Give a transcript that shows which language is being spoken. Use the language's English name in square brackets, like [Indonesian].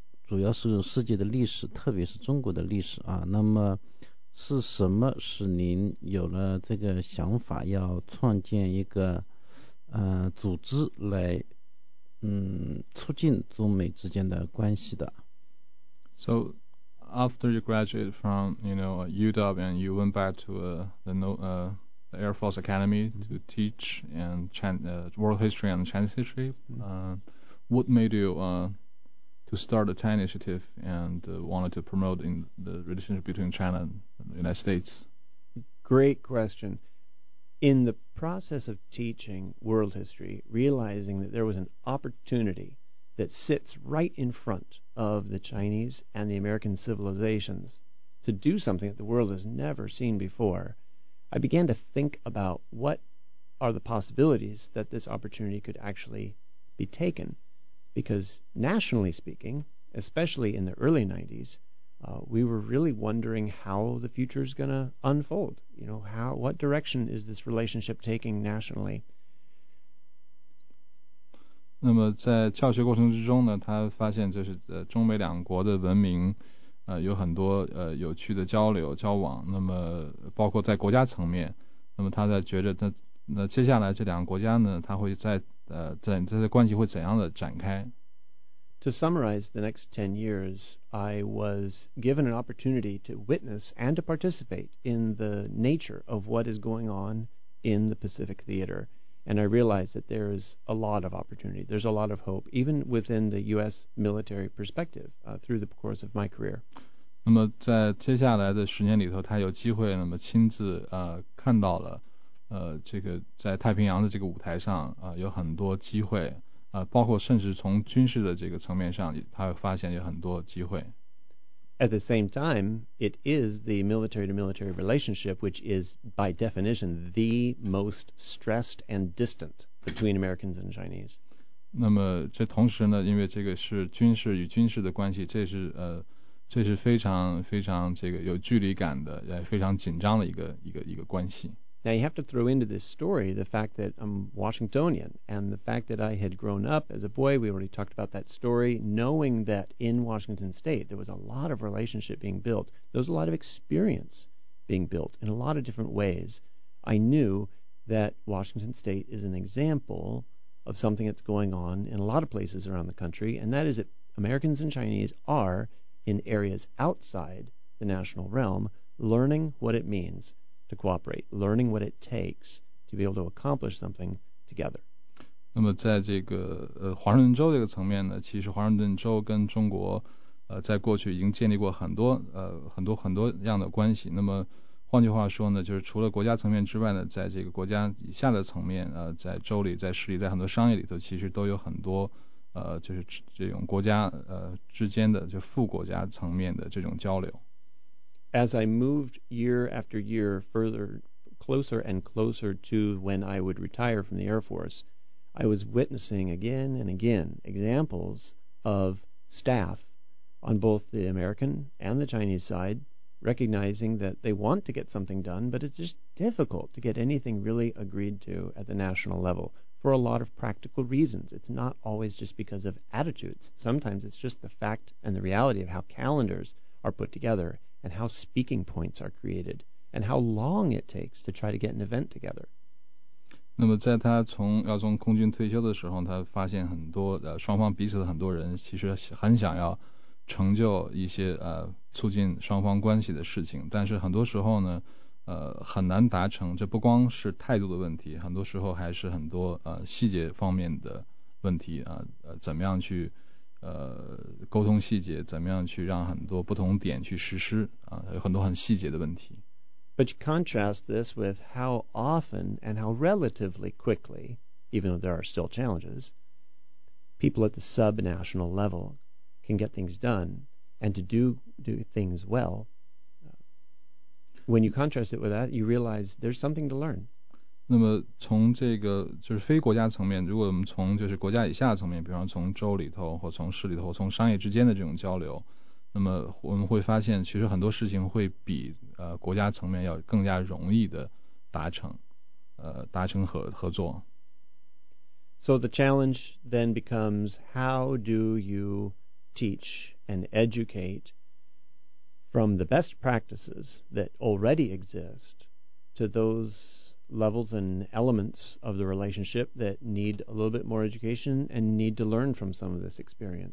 [Chinese] 主要是世界的历史，特别是中国的历史啊。那么是什么使您有了这个想法，要创建一个组织来促进中美之间的关系的？ [English] So after you graduated from, you know, UW, and you went back to the Air Force Academy to teach and world history and Chinese history, what made you start the Thai Initiative and wanted to promote in the relationship between China and the United States? Great question. In the process of teaching world history, realizing that there was an opportunity that sits right in front of the Chinese and the American civilizations to do something that the world has never seen before, I began to think about what are the possibilities that this opportunity could actually be taken. Because nationally speaking, especially in the early 90s, we were really wondering how the future is going to unfold. You know, what direction is this relationship taking nationally? [Chinese] 那么在教学过程之中呢，他发现就是中美两国的文明有很多有趣的交流交往，那么包括在国家层面，那么他在觉得那接下来这两个国家呢，他会在这些关系会怎样的展开。 [English] To summarize the next 10 years, I was given an opportunity to witness and to participate in the nature of what is going on in the Pacific Theater, and I realized that there is a lot of opportunity, there's a lot of hope, even within the U.S. military perspective, through the course of my career. [Chinese] 那么在接下来的十年里头，他有机会那么亲自看到了这个在太平洋的这个舞台上有很多机会包括甚至从军事的这个层面上他会发现有很多机会。 [English] At the same time, it is the military-to-military relationship which is, by definition, the most stressed and distant between Americans and Chinese. [Chinese] 那么这同时呢，因为这个是军事与军事的关系，这是非常非常这个有距离感的，非常紧张的一个关系。 [English] Now you have to throw into this story the fact that I'm Washingtonian and the fact that I had grown up as a boy, we already talked about that story, knowing that in Washington State there was a lot of relationship being built, there was a lot of experience being built in a lot of different ways. I knew that Washington State is an example of something that's going on in a lot of places around the country, and that is that Americans and Chinese are, in areas outside the national realm, learning what it means. To cooperate, learning what it takes to be able to accomplish something together. [Chinese] 那么在这个华盛顿州这个层面呢，其实华盛顿州跟中国在过去已经建立过很多样的关系。那么换句话说呢，就是除了国家层面之外呢，在这个国家以下的层面在州里，在市里，在很多商业里头，其实都有很多就是这种国家之间的就副国家层面的这种交流。 [English] As I moved year after year further, closer and closer to when I would retire from the Air Force, I was witnessing again and again examples of staff on both the American and the Chinese side recognizing that they want to get something done, but it's just difficult to get anything really agreed to at the national level for a lot of practical reasons. It's not always just because of attitudes. Sometimes it's just the fact and the reality of how calendars are put together. And how speaking points are created, and how long it takes to try to get an event together. [Chinese] 那么在他要从空军退休的时候，他发现很多双方彼此的很多人其实很想要成就一些促进双方关系的事情，但是很多时候呢，很难达成。这不光是态度的问题，很多时候还是很多细节方面的问题怎么样去。沟通细节怎么样去让很多不同点去实施有很多很细节的问题。 [English] But you contrast this with how often and how relatively quickly, even though there are still challenges, people at the sub-national level can get things done and to do things well. When you contrast it with that, you realize there's something to learn. [Chinese] 那么从这个就是非国家层面，如果我们从就是国家以下层面，比方从州里头或从市里头或从商业之间的这种交流，那么我们会发现其实很多事情会比国家层面要更加容易的达成合作。 [English] So the challenge then becomes how do you teach and educate from the best practices that already exist to those levels and elements of the relationship that need a little bit more education and need to learn from some of this experience.